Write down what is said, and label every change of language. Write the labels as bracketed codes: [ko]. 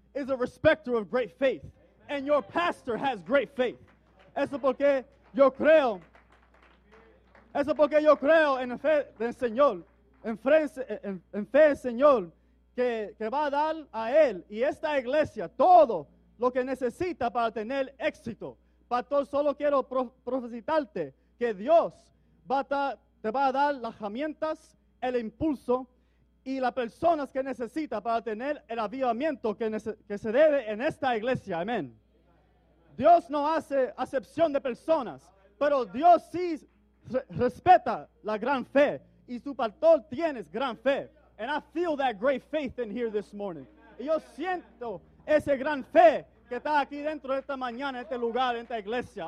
[en] is a respecter of great faith. And your pastor has great faith. [es] Eso porque yo creo. Eso porque yo creo en fe del Señor. En fe del Señor. Que va a dar a él y esta iglesia todo lo que necesita para tener éxito. Pastor, solo quiero profetizarte que Dios te va a dar las herramientas, el impulso y las personas que necesita para tener el avivamiento que se debe en esta iglesia. Amén. Dios no hace acepción de personas, pero Dios sí respeta la gran fe y tu pastor tienes gran fe. [en] And I feel that great faith in here this morning. [es] Y yo siento ese gran fe que está aquí dentro de esta mañana, este lugar, esta iglesia.